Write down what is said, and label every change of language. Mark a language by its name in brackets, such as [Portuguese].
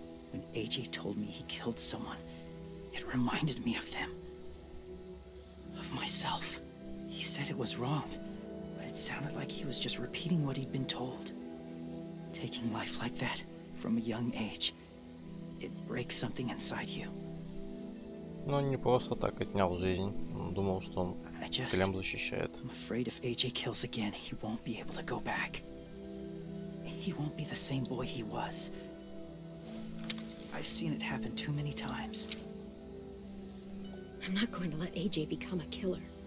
[English] When AJ told me he killed someone, it reminded me of them. Of myself. He said it was wrong, but it sounded like he was just repeating what he'd been told. Taking life like that, from a young age, it breaks something inside you. [Russian] Ну, не просто так отнял жизнь. Думал, что он Клем защищает. [English] I'm afraid if AJ kills again, he won't be able to go back. He won't be the same boy he was. I've seen it happen too many times. I'm not going to let AJ become a killer.